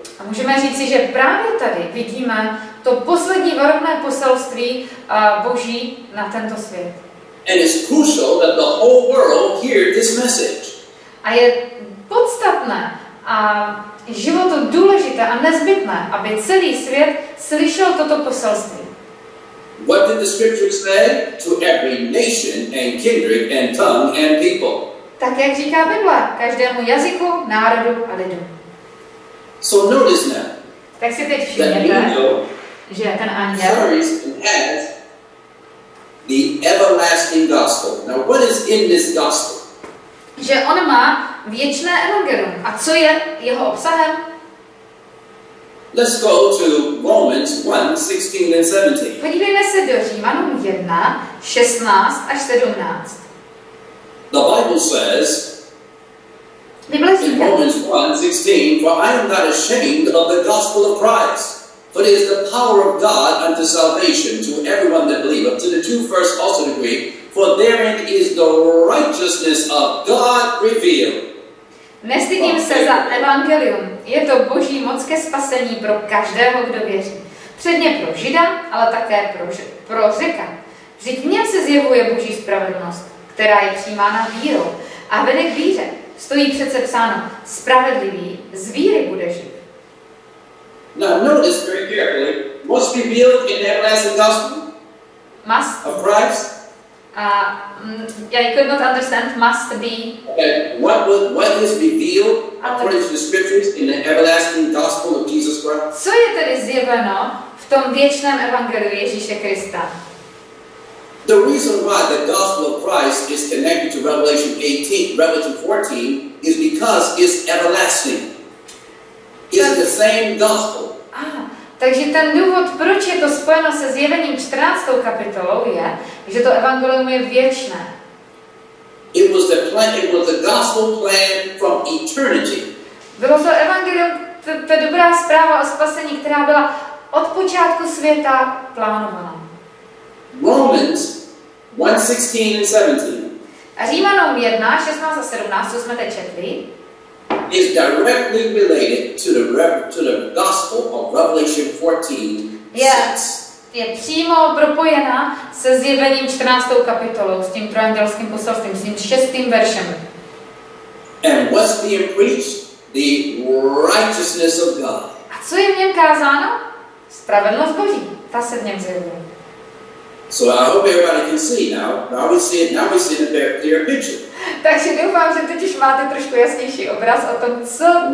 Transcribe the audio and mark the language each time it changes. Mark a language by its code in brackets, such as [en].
[cs] A můžeme říci, že právě tady vidíme to poslední varovné poselství Boží na tento svět. [en] And it's crucial that the whole world hear this message. [cs] A je podstatné a životu důležité a nezbytné, aby celý svět slyšel toto poselství. [en] What did the scripture say? To every nation and kindred and tongue and people. [cs] Tak jak říká Bible, každému jazyku, národu a lidu. [en] So notice now. [cs] Tak si teď všimněte, že ten anděl [en] carries and has the everlasting gospel. Now what is in this gospel? [cs] Že on má věčné evangelium. A co je jeho obsahem? [en] Let's go to Romans 1:16 and 17. [cs] Podívejme se do Římanům 1, 16 až 17. [en] The Bible says, [cs] Bible [en] in Romans 1:16, for I am not ashamed of the gospel of Christ, for it is the power of God unto salvation to everyone that believeth, to the Jew first, also the Greek, for therein is the righteousness of God revealed. [cs] Nestydím se za evangelium. Je to Boží moc ke spasení pro každého, kdo věří. Předně pro Žida, ale také pro Řeka. Vždyť v něm se zjevuje Boží spravedlnost, která je přijímána vírou a vede k víře. Stojí přece psáno, spravedlivý z víry bude žít. [en] Now notice very carefully, what's revealed in the everlasting gospel of Christ? I could not understand, must be. Okay. What is revealed according to the scriptures in the everlasting gospel of Jesus Christ? [cs] Co je tedy zjeveno v tom věčném evangeliu Ježíše Krista? [en] The reason why the gospel of Christ is connected to Revelation 18, Revelation 14, is because it's everlasting. It's the same gospel. [cs] Takže ten důvod, proč je to spojeno se zjevením 14. kapitolou, je, že to evangelium je věčné. [en] It was the plan, it was the gospel plan from eternity. [cs] Bylo to evangelium, ta dobrá zpráva o spasení, která byla od počátku světa plánovaná. [en] Romans 1:16 and 17. [cs] A Římanům 1, 16 a 17, co jsme teď četli, [en] is directly related to the gospel of Revelation 14. Yes. [cs] je přímo propojena se zjevením 14. kapitolou, s tím trojandělským poselstvím, s tím 6. veršem. [en] And what's being preached? The righteousness of God. [cs] A co je v něm kázáno? Spravedlnost Boží. Ta se v něm zjevuje. [en] So I hope everybody can see now. Now we see the clear picture. [cs] Takže doufám, že teď už máte trošku jasnější obraz o tom, co